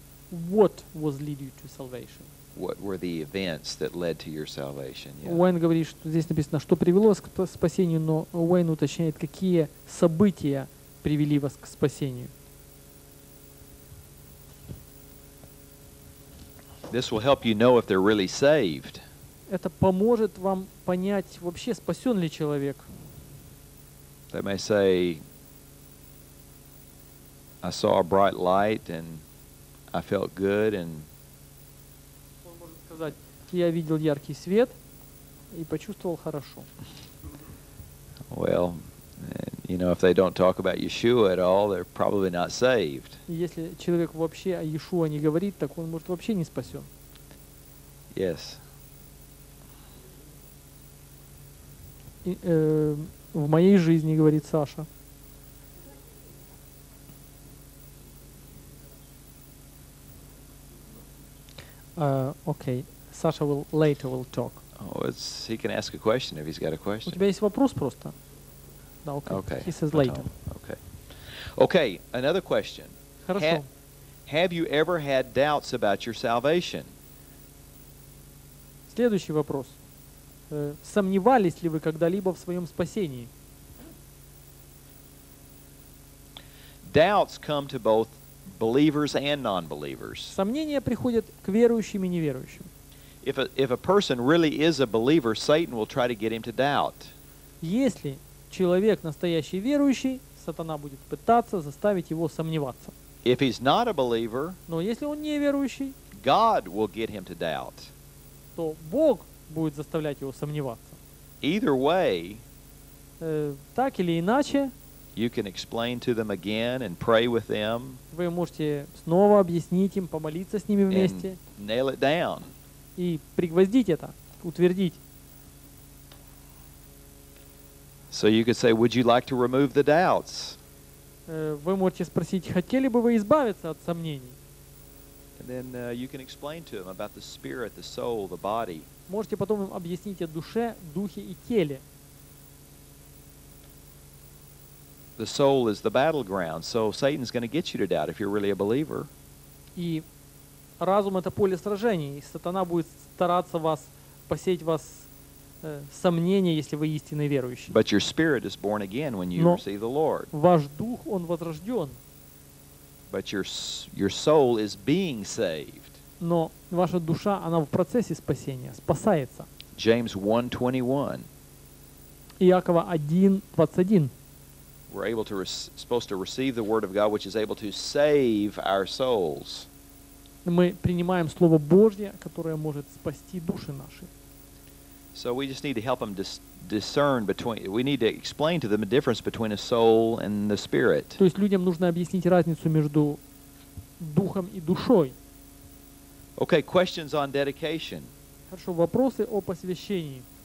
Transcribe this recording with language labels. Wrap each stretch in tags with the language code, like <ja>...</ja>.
<en>What was lead you to salvation? What were the events that led to your salvation? Yeah.</en> <ru>Уэйн говорит, что здесь написано, что привело вас к спасению, но Уэйн уточняет, какие события привели вас к спасению.</ru> <en>This will help you know if they're really saved.</en> <ru>Это поможет вам понять, вообще спасен ли человек.</ru> <en>They may say, I saw a bright light and I felt good and.</en> <ru>Он может сказать, я видел яркий свет и почувствовал хорошо.</ru> <en>Well, you know, if they don't talk about Yeshua at all, they're probably not saved.</en> <ru>Если человек вообще о Иешуа не говорит, так он может вообще не спасен.</ru> <en>Yes.</en> <ru>В моей жизни, говорит Саша.</ru> <en>Okay. Саша later will talk. Oh, he can ask a question if he's got a question.</en> <ru>У тебя есть вопрос просто? Да,</ru> <en>okay. He says later. Okay. Another question.</en> <ru>Хорошо.</ru> <en>Have you ever had doubts about your salvation?</en> <ru>Следующий вопрос. Сомневались ли вы когда-либо в своем спасении?</ru> <en>Doubts come to both believers and non-believers.</en> <ru>Сомнения приходят к верующим и неверующим.</ru> <en>If a person really is a believer, Satan will try to get him to doubt.</en> <ru>Если человек настоящий верующий, сатана будет пытаться заставить его сомневаться.</ru> <en>If he's not a believer,</en> <ru>но если он неверующий,</ru> <en>God will get him to doubt.</en> <ru>То Бог будет заставлять его сомневаться.</ru> <en>Either way,</en> <ru>так или иначе,</ru> <en>you can explain to them again and pray with them.</en> <ru>Вы можете снова объяснить им, помолиться с ними вместе.</ru> <en>And nail it down.</en> <ru>И пригвоздить это, утвердить.</ru> <en>So you could say, would you like to remove the doubts?</en> <ru>Вы можете спросить, хотели бы вы избавиться от сомнений?</ru> <en>And then you can explain to them about the spirit, the soul, the body.</en> <ru>Можете потом им объяснить о душе, духе и теле.</ru> <en>The soul is the battleground, so Satan's going to get you to doubt if you're really a believer.</en> <ru>И разум это поле сражений, и сатана будет стараться вас посеять вас сомнения, если вы истинный верующий.</ru> <en>But your spirit is born again when you receive the Lord.</en> <ru>Ваш дух он возрожден.</ru> <en>But your soul is being saved.</en> <ru>Но ваша душа она в процессе спасения, спасается.</ru> <en>James 1:21.</en> <ru>Иакова 1:21.</ru> <en>We're able to supposed to receive the word of God, which is able to save our souls.</en> <ru>Мы принимаем слово Божье, которое может спасти души наши.</ru> <en>So we just need to help them discern between. We need to explain to them the difference between a soul and the spirit.</en> <ru>То есть людям нужно объяснить разницу между духом и душой.</ru> <en>Okay, questions on dedication.</en> <ru>Хорошо, вопросы о посвящении.</ru>